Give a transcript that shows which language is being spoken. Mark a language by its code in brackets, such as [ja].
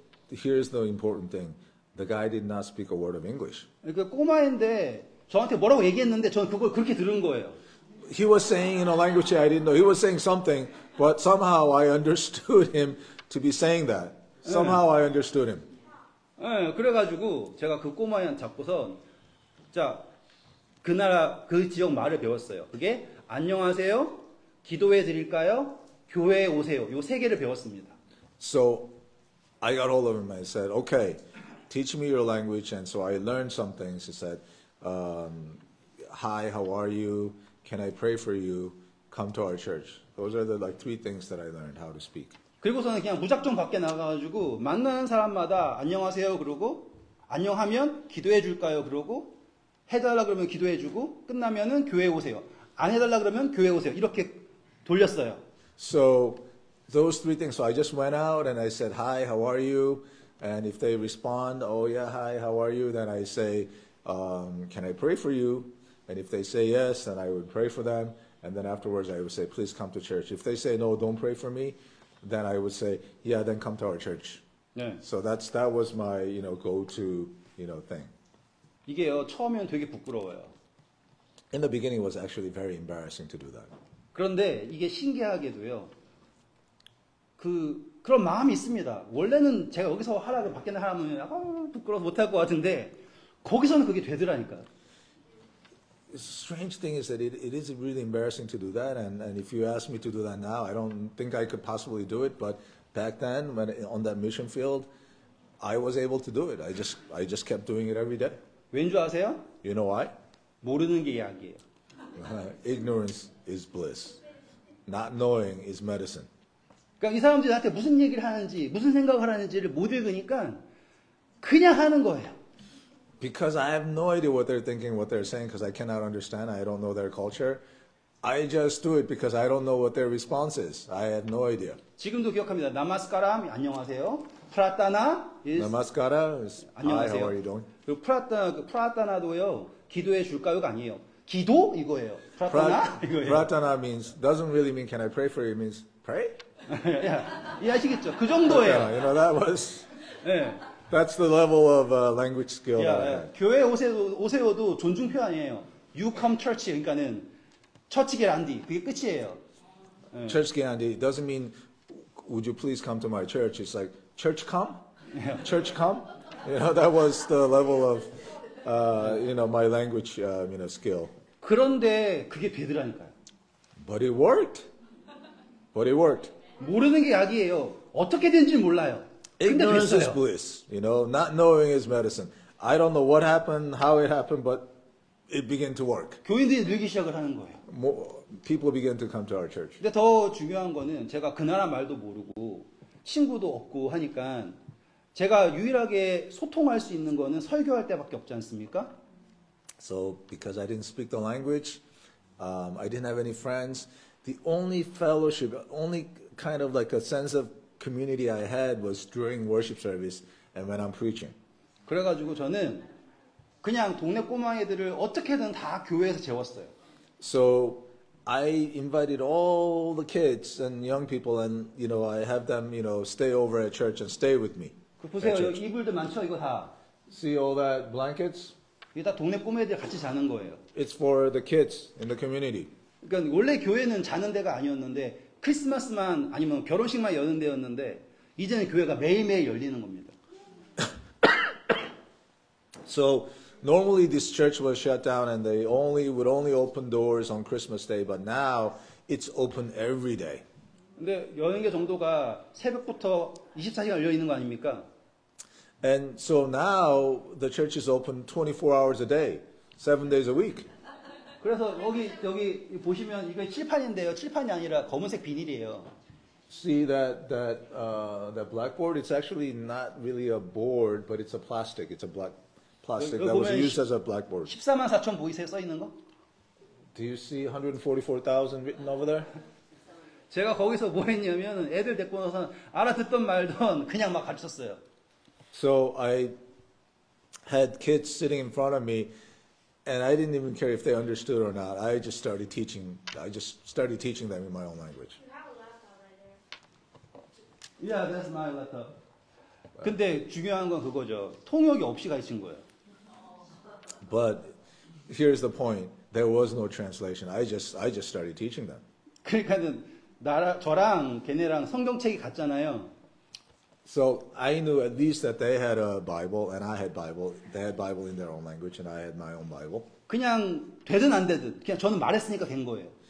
[en] Here's the important thing. The guy did not speak a word of English. [ko] 그 꼬마인데 저한테 뭐라고 얘기했는데 저는 그걸 그렇게 들은 거예요. [en] He was saying in a language I didn't know. He was saying something, but somehow I understood him to be saying that. Somehow I understood him. [ko] 네, 그래가지고 제가 그 꼬마인 잡고서 자. 그 나라, 그 지역 말을 배웠어요. 그게 안녕하세요, 기도해 드릴까요, 교회에 오세요. 요 세 개를 배웠습니다. [en] So I got hold of him and said, "Okay, teach me your language." And so I learned some things. He said, "Hi, how are you? Can I pray for you? Come to our church." Those are the like three things that I learned how to speak. [ko] 그리고서는 그냥 무작정 밖에 나가가지고 만나는 사람마다 안녕하세요 그러고 안녕하면 기도해 줄까요 그러고. 해달라 그러면 기도해 주고 끝나면은 교회 오세요. 안 해달라 그러면 교회 오세요. 이렇게 돌렸어요. [en] So those three things. So I just went out and I said, "Hi, how are you?" And if they respond, "Oh yeah, hi, how are you?" Then I say, "Can I pray for you?" And if they say yes, then I would pray for them. And then afterwards, I would say, "Please come to church." If they say no, don't pray for me. Then I would say, "Yeah, then come to our church." [ko] 네. [en] So that was my you know go-to you know thing. [ko] 이게요 처음엔 되게 부끄러워요. [en] In the beginning, it was actually very embarrassing to do that. [ko] 그런데 이게 신기하게도요. 그런 마음이 있습니다. 원래는 제가 여기서 하라고 밖에 나가면 부끄러워서 못할 것 같은데 거기서는 그게 되더라니까. [en] Strange thing is that it is really embarrassing to do that, and if you ask me to do that now, I don't think I could possibly do it. But back then, when on that mission field, I was able to do it. I just kept doing it every day. [ko] 왠 줄 아세요? [en] You know why? [ko] 모르는 게 약이에요. [en] Ignorance is bliss. Not knowing is medicine. [ko] 그러니까 이 사람들이 나한테 무슨 얘기를 하는지, 무슨 생각을 하는지를 못 읽으니까 그냥 하는 거예요. [en] because I have no idea what they're thinking, what they're saying, because I cannot understand. I don't know their culture. I just do it because I don't know what their response is. I have no idea. [ko] 지금도 기억합니다. 나마스카람, 안녕하세요. 프라타나, [en] is, Namaskaram is, [ko] 안녕하세요. [en] Hi, how are you doing? [ko] 그 프라타나도요, 기도해 줄까요가 아니에요. 기도 이거예요. 프라타나 이거예요. [en] Pratana means doesn't really mean can I pray for you? It means pray. [ko] 이해하시겠죠? 그 정도예요. [en] You know that was. [ko] 네. [en] That's the level of language skill. Yeah, yeah. [ko] 교회 오세요도 존중 표현이에요. [en] You come church. [ko] 그러니까는 처치 계란디. 그게 끝이에요. 네. [en] Church 계란디 doesn't mean would you please come to my church? It's like church come. Yeah. Church come. You know that was the level of. You know my language, you know skill. [ko] 그런데 그게 되더라니까요. [en] But it worked. But it worked. [ko] 모르는 게 약이에요. 어떻게 된지 몰라요. [en] Ignorance is bliss. You know, not knowing is medicine. I don't know what happened, how it happened, but it began to work. [ko] 교인들이 늘기 시작을 하는 거예요. [en] People began to come to our church. [ko] 근데 더 중요한 거는 제가 그 나라 말도 모르고 친구도 없고 하니까. 제가 유일하게 소통할 수 있는 거는 설교할 때밖에 없지 않습니까? [en] So because I didn't speak the language, I didn't have any friends. The only fellowship, only kind of like a sense of community I had was during worship service and when I'm preaching. [ko] 그래가지고 저는 그냥 동네 꼬마애들을 어떻게든 다 교회에서 재웠어요. [en] So I invited all the kids and young people, and you know I have them, you know, stay over at church and stay with me. [ko] 보세요, 이불도 많죠, 이거 다. [en] See all that blankets? [ko] 이게 다 동네 꼬매들 같이 자는 거예요. [en] It's for the kids in the community. [ko] 그러니까 원래 교회는 자는 데가 아니었는데 크리스마스만 아니면 결혼식만 여는 데였는데 이제는 교회가 매일매일 열리는 겁니다. [en] So normally this church was shut down and they only would only open doors on Christmas Day, but now it's open every day. [ko] 근데 여행계 정도가 새벽부터 24시간 열려 있는 거 아닙니까? [en] And so now the church is open 24 hours a day, 7 days a week. [ko] 그래서 여기 보시면 이게 칠판인데요. 칠판이 아니라 검은색 비닐이에요. [en] See that blackboard? It's actually not really a board, but it's a plastic. It's a black plastic that was used as a blackboard. [ko] 14만 4천 보이세요? 써 있는 거? [en] Do you see 144,000 written over there? [ko] 제가 거기서 뭐 했냐면 애들 데리고 나서 알아듣던 말던 그냥 막 가르쳤어요. [en] So I had kids sitting in front of me and I didn't even care if they understood or not. I just started teaching. I just started teaching them in my own language. You have a laptop right there. Yeah, that's my laptop. [ko] 근데 중요한 건 그거죠. 통역이 없이 가르친 거예요. [en] But here's the point. There was no translation. I just started teaching them. [ko] 그러니까는 저랑 걔네랑 성경책이 같잖아요. [en] So I knew at least that they had a Bible and I had Bible. They had Bible in their own language and I had my own Bible. [ko] 그냥 되든 안 되든 그냥 저는 말했으니까 된 거예요.